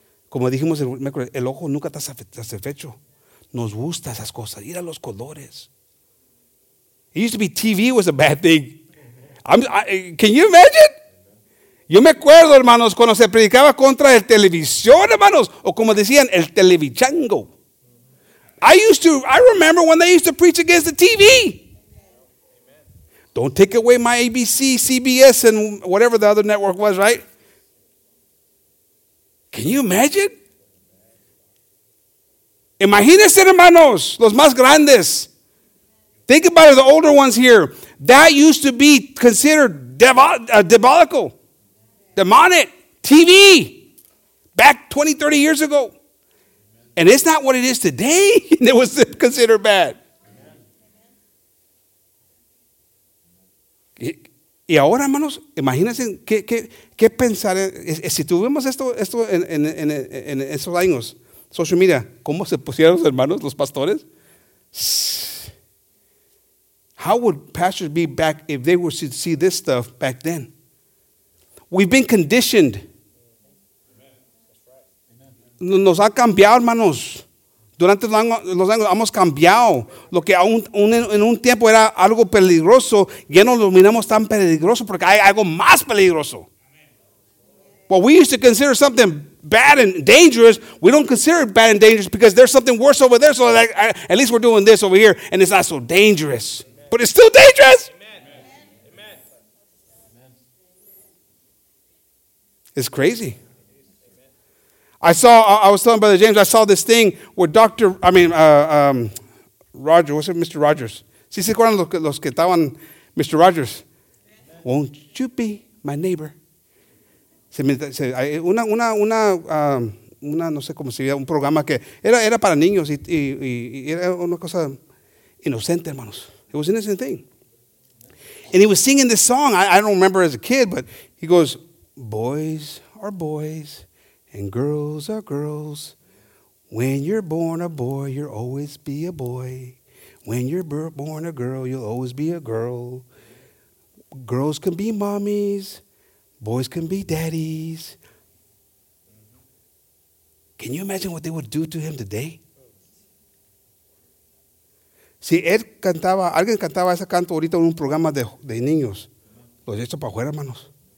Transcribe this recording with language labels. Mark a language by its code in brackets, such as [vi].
[es] Como dijimos, el ojo nunca está satisfecho. Nos gusta esas cosas. Ir a los colores. [en] It used to be TV was a bad thing. Can you imagine? [es] Yo me acuerdo, hermanos, cuando se predicaba contra el televisión, hermanos. O como decían, el televichango. [en] I remember when they used to preach against the TV. Don't take away my ABC, CBS, and whatever the other network was, right? Can you imagine? [es] Imagínense, hermanos, los más grandes. [en] Think about it, the older ones here. That used to be considered diabolical. Demonic. TV. back 20, 30 years ago. And it's not what it is today. It was considered bad. [es] Y ahora, hermanos, imagínense qué pensar. Si tuvimos esto en esos años, social media, ¿cómo se pusieron los hermanos, los pastores? [en] How would pastors be back if they were to see this stuff back then? We've been conditioned. [es] Nos ha cambiado, hermanos. Durante los años hemos cambiado. Lo que en un tiempo era algo peligroso, ya no lo miramos tan peligroso porque hay algo más peligroso. [en] What we used to consider something bad and dangerous, we don't consider it bad and dangerous because there's something worse over there. So like, at least we're doing this over here and it's not so dangerous. But it's still dangerous. It's crazy. I was telling Brother James, I saw this thing where Roger, what's it, Mr. [es] Rogers? ¿Sí se acuerdan los que estaban, Mr. Rogers? [en] Won't you be my neighbor? [es] Una no sé cómo se llama, un programa que era para niños y era una cosa inocente, hermanos. [en] It was an innocent thing. And he was singing this song, I don't remember as a kid, but he goes, boys are boys. And girls are girls. When you're born a boy, you'll always be a boy. When you're born a girl, you'll always be a girl. Girls can be mommies. Boys can be daddies. Can you imagine what they would do to him today? [es] Si él cantaba, alguien cantaba ese canto ahorita en un programa de niños, los echan para afuera, hermanos.